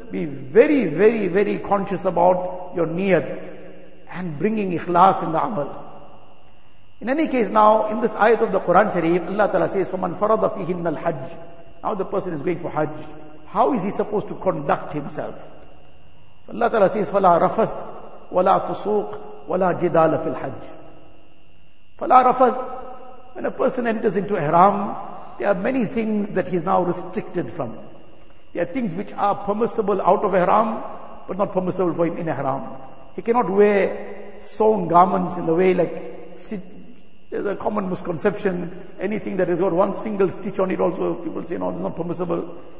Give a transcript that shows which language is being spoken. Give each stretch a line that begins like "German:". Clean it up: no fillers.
English: Be very, very, very conscious about your niyat and bringing ikhlas in the amal. In any case now, in this ayat of the Quran Sharif, Allah Ta'ala says,
Arabic: فَمَنْ فَرَضَ فِيهِنَّ الْحَجِّ.
English: Now the person is going for Hajj. How is he supposed to conduct himself? So Allah Ta'ala says,
Arabic: فَلَا رَفَثْ وَلَا فُسُوقْ وَلَا جِدَالَ فِي الْحَجِّ. فَلَا رَفَثْ.
English: When a person enters into Ihram, there are many things that he is now restricted from. There are things which are permissible out of Ihram, but not permissible for him in Ihram. He cannot wear sewn garments in the way like, there's a common misconception, anything that has got one single stitch on it also, people say, no, it's not permissible.